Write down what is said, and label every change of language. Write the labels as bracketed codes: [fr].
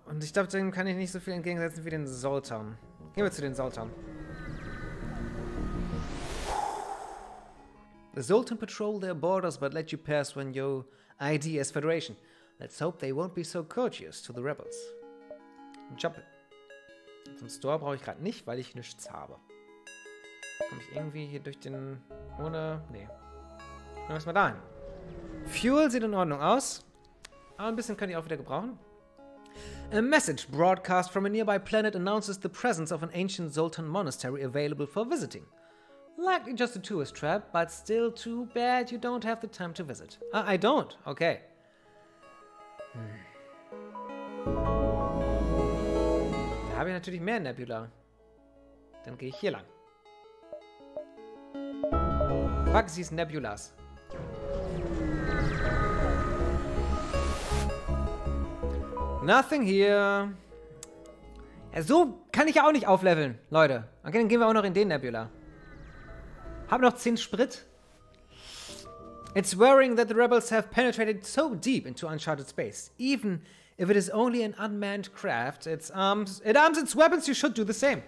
[de] Und ich glaube, dem kann ich nicht so viel entgegensetzen wie den Zoltan. Gehen wir zu den Zoltan. [en] The Zoltan patrol their borders but let you pass when your ID is Federation. Let's hope they won't be so courteous to the rebels. Job. [de] Zum Store brauche ich gerade nicht, weil ich nichts habe. Komme ich irgendwie hier durch den... Ohne... Nee. Dann erstmal dahin. Fuel sieht in Ordnung aus. Aber ein bisschen könnte ich auch wieder gebrauchen. [en] A message broadcast from a nearby planet announces the presence of an ancient Zoltan monastery available for visiting. Likely just a tourist trap, but still too bad you don't have the time to visit. I don't. Okay. [de] Da habe ich natürlich mehr Nebula. Dann gehe ich hier lang. [en] Fuck these Nebulas. Nothing here. [de] Ja, so kann ich ja auch nicht aufleveln, Leute. Okay, dann gehen wir auch noch in den Nebula. Hab noch 10 Sprit. [en] It's worrying that the rebels have penetrated so deep into uncharted space. Even if it is only an unmanned craft, it arms its weapons, you should do the same.